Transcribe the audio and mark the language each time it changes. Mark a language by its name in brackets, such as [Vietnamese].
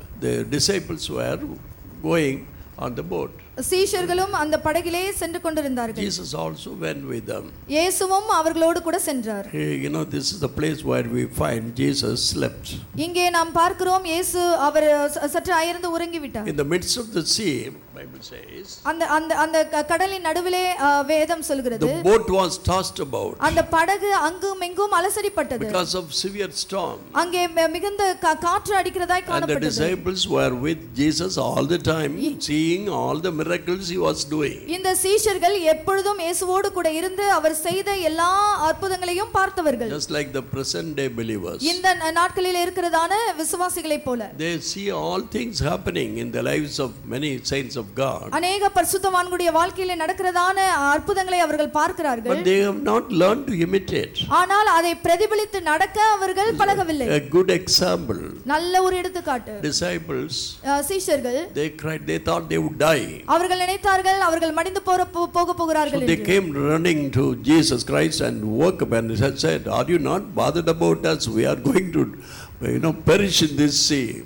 [English] The disciples were going on the boat. [Tamil] சீஷர்களும் அந்த படகிலே சென்று கொண்டிருந்தார்கள். [English] Jesus also went with them. [Tamil] இயேசுவும் அவர்களோடு கூட சென்றார். [English] You know this is the place where we find Jesus slept. [Tamil] இங்கே நாம் பார்க்கிறோம் இயேசு அவர் சற்று அயர்ந்து உறங்கி விட்டார். [English] In the midst of the sea Bible says. [Tamil] அந்த அந்த அந்த கடலின் நடுவிலே வேதம் சொல்கிறது. [English] The boat was tossed about. [Tamil] அந்த படகு அங்கும் இங்கும் அலசடிப்பட்டது. [English] Because of severe storm. [Tamil] அங்கே மிகுந்த காற்று அடிக்கிறதாய் காணப்பட்டது. [English] And the disciples were with Jesus all the time seeing all the miracles he was doing. [Tamil] இந்த சீஷர்கள் எப்பொழுதும் இயேசுவோடு கூட இருந்து அவர் செய்த எல்லா அற்புதங்களையும் பார்த்தவர்கள். [English] Just like the present day believers. [Tamil] இந்த நாட்களில் இருக்கிறதான விசுவாசிகளைப் போல. [English] They see all things happening in the lives of many saints of God. [Tamil] अनेक பரிசுத்தவான்களுடைய வாழ்க்கையிலே நடக்கிறதான அற்புதங்களை அவர்கள் பார்க்கிறார்கள். [English] But they have not learned to imitate. [Tamil] ஆனால் அதை பிரதிபலித்து நடக்க அவர்கள் பழகவில்லை. [English] A good example. [Tamil] நல்ல ஒரு எடுத்துக்காட்டு. [English] Disciples. [Tamil] சீஷர்கள். [English] They cried, they thought they would die. [Tamil] அவர்கள் நினைத்தார்கள் அவர்கள் மடிந்து போக போகிறார்கள். [English] They came running to Jesus Christ and woke up and said, are you not bothered about us? We are going to perish in this sea.